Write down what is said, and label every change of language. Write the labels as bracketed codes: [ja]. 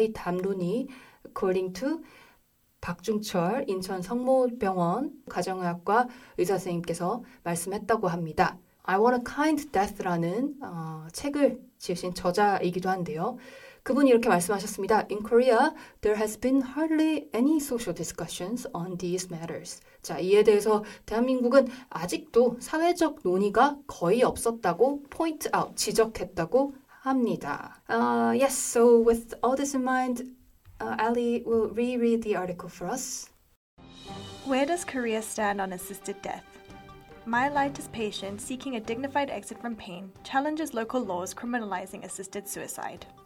[ko] 이 담론이 [en] according to [ko] 박중철 인천성모병원 가정의학과 의사 선생님께서 말씀했다고 합니다. I Want a Kind Death라는 책을 지으신 저자이기도 한데요. 그분이 이렇게 말씀하셨습니다. [en] In Korea, there has been hardly any social discussions on these matters. [ko] 자, 이에 대해서 대한민국은 아직도 사회적 논의가 거의 없었다고 [en] point out, [ko] 지적했다고 합니다. [en] Yes, so with all this in mind, Ali will reread the article for us. Where does Korea stand on assisted death? My Light is patient seeking a dignified exit from pain challenges local laws criminalizing assisted suicide.